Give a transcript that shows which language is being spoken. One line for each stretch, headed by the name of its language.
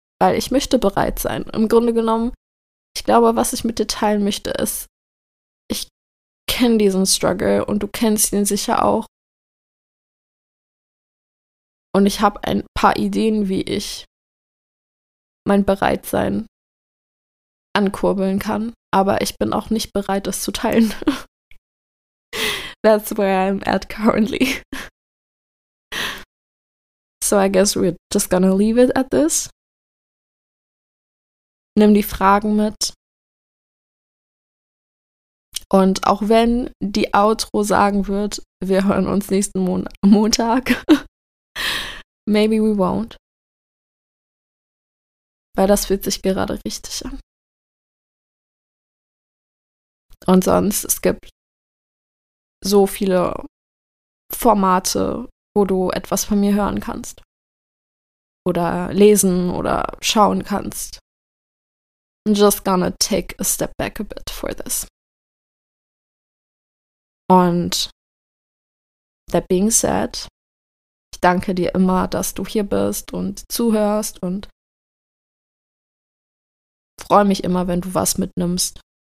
German: Weil ich möchte bereit sein. Im Grunde genommen, ich glaube, was ich mit dir teilen möchte, ist, ich kenne diesen Struggle und du kennst ihn sicher auch. Und ich habe ein paar Ideen, wie ich mein Bereitsein ankurbeln kann. Aber ich bin auch nicht bereit, das zu teilen.
English: That's where I'm at currently. So I guess we're just gonna leave it at this.
German: Nimm die Fragen mit. Und auch wenn die Outro sagen wird, wir hören uns nächsten Montag.
English: Maybe we won't.
German: Weil das fühlt sich gerade richtig an. Und sonst, es gibt so viele Formate, wo du etwas von mir hören kannst. Oder lesen oder schauen kannst.
English: I'm just gonna take a step back a bit for this.
German: Und
English: that being said,
German: ich danke dir immer, dass du hier bist und zuhörst und freue mich immer, wenn du was mitnimmst.